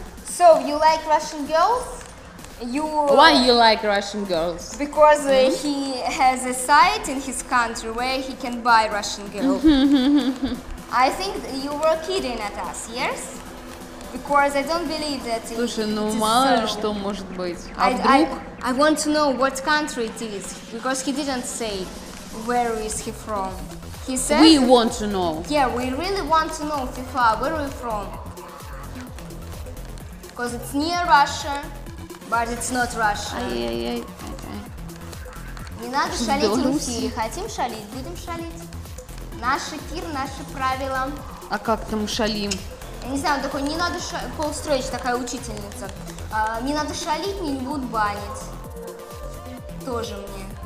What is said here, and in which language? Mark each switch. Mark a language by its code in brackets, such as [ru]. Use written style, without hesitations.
[en] So, you like Russian girls? Why you like Russian girls? Because he has a site in his country where he can buy Russian girls. I think you were kidding at us, yes? Because I don't believe that it is so. [ru] Слушай, ну мало ли что может быть. А вдруг? [en] I want to know what country it is, because he didn't say where is he from. He says. We want to know. Yeah, we really want to know, FIFA, where are you from? Because it's near Russia, but it's not Russia. [ru] Ай-яй-яй. Не надо шалить в эфире. Хотим шалить, будем шалить. Наш эфир, наши правила. А как там шалим? Я не знаю, такой, не надо шалить, Пол Стрейч, такая учительница. Не надо шалить, меня не будут банить. Тоже мне.